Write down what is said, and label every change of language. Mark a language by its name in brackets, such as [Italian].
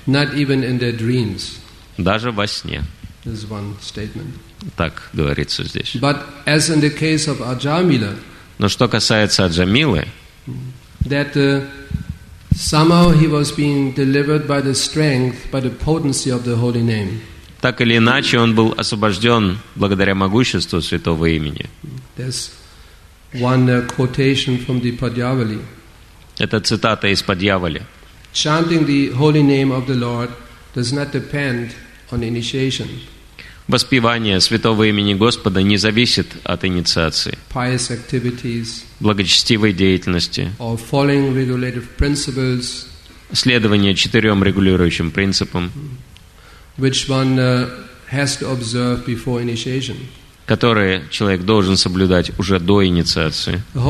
[English] Not even in their dreams. [Russian] Даже во сне. [English] This is one statement. [Russian] Так говорится здесь. [English] But as in the case of Аджамила, [Russian] но что касается Аджамилы, [English] that, somehow he was being delivered by the strength, by the potency of the holy name. [Russian] Так или иначе, он был освобожден благодаря могуществу святого имени. [English] There's one quotation from the Padyavali. [Russian] Это цитата из Падьявали. [English] Chanting the holy name of the Lord does not depend on initiation. [Russian] Воспевание святого имени Господа не зависит от инициации, [English] pious activities, [Russian] благочестивой деятельности, [English] or following regulative principles, [Russian] следование четырем регулирующим принципам, [English] which one has to observe before initiation, [Russian] которые человек должен соблюдать уже до инициации.